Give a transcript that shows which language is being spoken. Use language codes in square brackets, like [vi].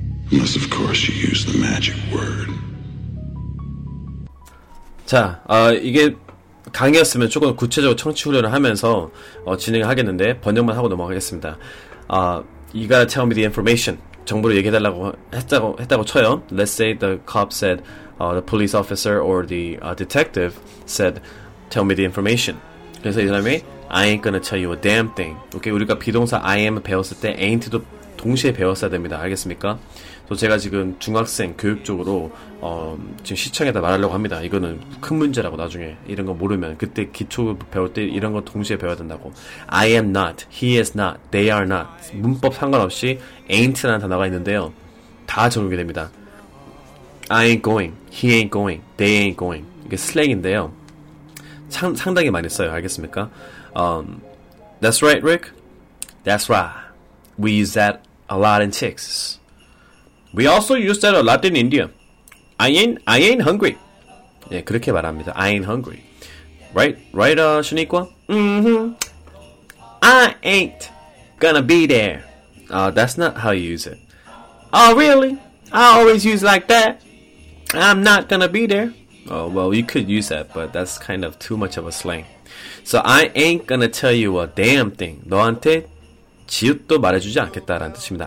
[en] Unless of course you use the magic word. [ko] 자, 이게 강의였으면 조금 구체적으로 청취 훈련을 하면서 진행을 하겠는데 번역만 하고 넘어가겠습니다. [en] You gotta tell me the information. [ko] 정보를 얘기해달라고 했다고 쳐요. [en] Let's say the cop said, the police officer or the detective said, tell me the information. [ko] 그래서 이 사람이 [en] I ain't gonna tell you a damn thing. [ko] 오케이, 우리가 비동사 I am 배웠을 때 ain't도 동시에 배웠어야 됩니다. 알겠습니까? 또 제가 지금 중학생 교육 쪽으로 지금 시청에다 말하려고 합니다. 이거는 큰 문제라고 나중에 이런 거 모르면 그때 기초 배울 때 이런 거 동시에 배워야 된다고. [en] I am not, he is not, they are not. [ko] 문법 상관없이 ain't라는 단어가 있는데요. 다 적용이 됩니다. [en] I ain't going, he ain't going, they ain't going. [ko] 이게 슬랭인데요. 상당히 많이 써요. 알겠습니까? [en] That's right, Rick. That's right. We use that a lot in Texas. We also use that a lot in India. I ain't hungry. [ko] 예, 그렇게 말합니다. [en] I ain't hungry. Right, Shaniqua? I ain't gonna be there. That's not how you use it. Oh, really? I always use like that. I'm not gonna be there. Oh, well, you could use that, but that's kind of too much of a slang. So I ain't gonna tell you a damn thing. [ko] 너한테 지읒도 말해주지 않겠다라는 뜻입니다.